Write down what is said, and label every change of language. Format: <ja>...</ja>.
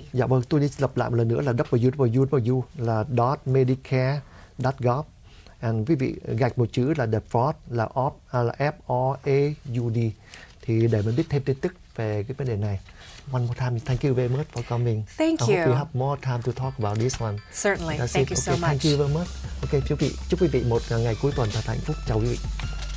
<vi>Dạ vâng, tôi đi lặp lại một lần nữa là www.medicare.gov, and quý vị gạch một chữ là the fraud là FRAUD, thì để mình biết thêm tin tức về cái vấn đề này.</vi> <en>One more time, thank you very much for coming. Thank you. I hope we have more time to talk about this one. Certainly. That's thank you so much. Thank you very much.</en> <vi>Okay, chúc quý vị một ngày cuối tuần thật hạnh phúc. Chào quý vị.</vi>